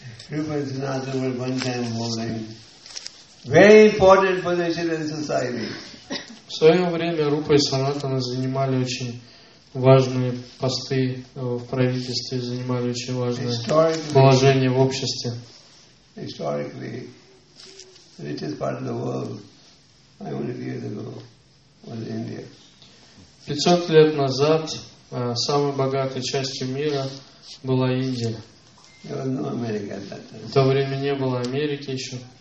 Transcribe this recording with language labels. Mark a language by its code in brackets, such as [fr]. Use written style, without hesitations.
[en] Rupa and Sanatana were one time holding very important position in society. [ru] В свое время Рупа и Санатана занимали очень важные посты в правительстве, занимали очень важное положение в обществе. [en] Historically, the richest part of the world 500 years ago was India. [ru] 500 лет назад самой богатой частью мира была Индия. [en] There was no America at that time. [ru] В то время не было Америки еще.